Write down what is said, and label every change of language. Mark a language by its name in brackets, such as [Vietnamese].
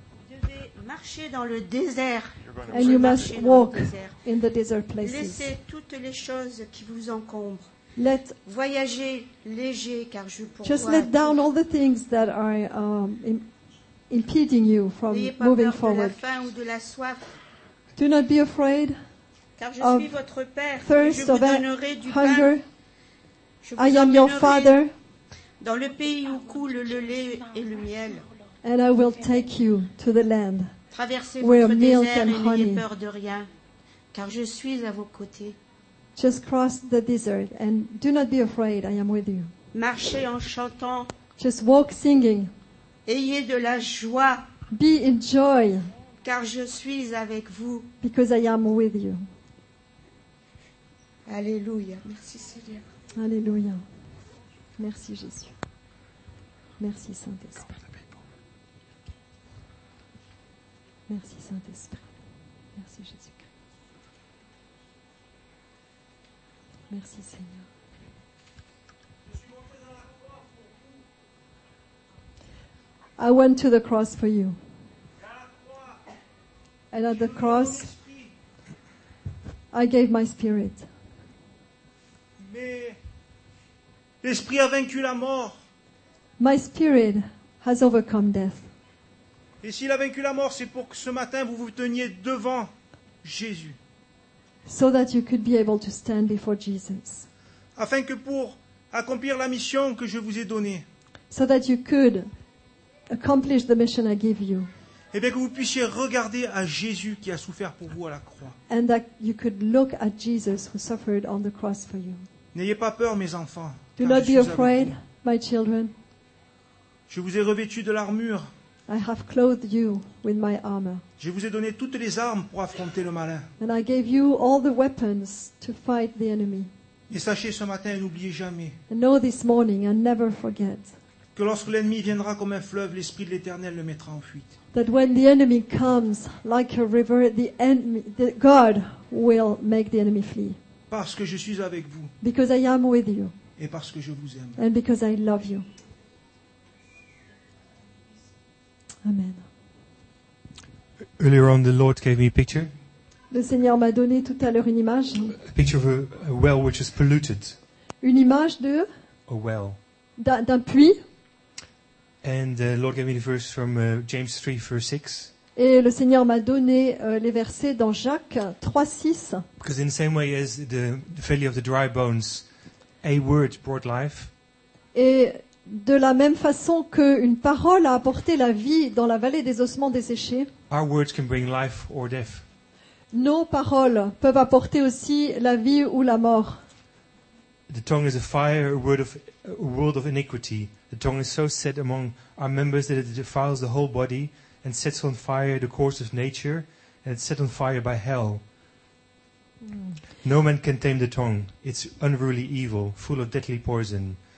[French] Je vais marcher dans le désert. [English] And you must walk in the desert places. [French] Laissez toutes les choses qui vous encombrent. [English] Let [French] voyager léger car je pourrai. [English] Just let down all the things that are impeding you from moving forward. [French] N'ayez pas peur de la faim ou de la soif. [English] Do not be afraid. [French] Car je suis votre père et je vous donnerai du pain. [English] I am your father. [French] Dans le pays où coule le lait et le miel. [English] And I will take you to the land. [French] Traversez votre désert et n'ayez peur de rien, car je suis à vos côtés. [English] Just cross the desert and do not be afraid. I am with you. [French] Marchez en chantant. [English] Just walk singing. [French] Ayez de la joie. [English] Be in joy. [French] Car je suis avec vous. [English] Because I am with you. [French] Alléluia. Merci Seigneur. Alléluia. Merci Jésus. Merci Saint-Esprit. Merci Saint-Esprit. Merci Jésus-Christ. Merci Seigneur. [English] I went to the cross for you. And at the cross, I gave my spirit. [French] L'esprit a vaincu la mort. [English] My spirit has overcome death. [French] Et s'il a vaincu la mort, c'est pour que ce matin vous vous teniez devant Jésus. [English] So that you could be able to stand before Jesus. [French] Afin que pour accomplir la mission que je vous ai donnée. [English] So that you could accomplish the mission I give you. [French] Et bien que vous puissiez regarder à Jésus qui a souffert pour vous à la croix. [English] And that you could look at Jesus who suffered on the cross for you. [French] N'ayez pas peur, mes enfants. [English] Do not be afraid, my children. [French] Je vous ai revêtu de l'armure. [English] I have clothed you with my armor. [French] Je vous ai donné toutes les armes pour affronter le malin. [English] And I gave you all the weapons to fight the enemy. [French] Et sachez ce matin, n'oubliez jamais. [English] And know this morning and never forget. [French] Que lorsque l'ennemi viendra comme un fleuve, l'esprit de l'Éternel le mettra en fuite. [English] That when the enemy comes like a river, God will make the enemy flee. [French] Parce que je suis avec vous. [English] Because I am with you. [French] Et parce que je vous aime. [English] And because I love you. Amen. Earlier on, the Lord gave me a picture. [French] Le Seigneur m'a donné tout à l'heure une image. [English] A picture of a well which is polluted. [French] Une image de? [English] A well. [French] D'un puits. [English] And the Lord gave me the verse from James 3, verse 6. [French] Et le Seigneur m'a donné les versets dans Jacques 3, 6. [English] Because in the same way as the failure of the dry bones, a word brought life. [French] Et de la même façon qu'une parole a apporté la vie dans la vallée des ossements desséchés, [English] our words can bring life or death. [French] Nos paroles peuvent apporter aussi la vie ou la mort. [English] The tongue is a fire, a world of iniquity. The tongue is so set among our members that it defiles the whole body and sets on fire the course of nature, and it's set on fire by hell. No man can tame the tongue. It's unruly evil, full of deadly poison.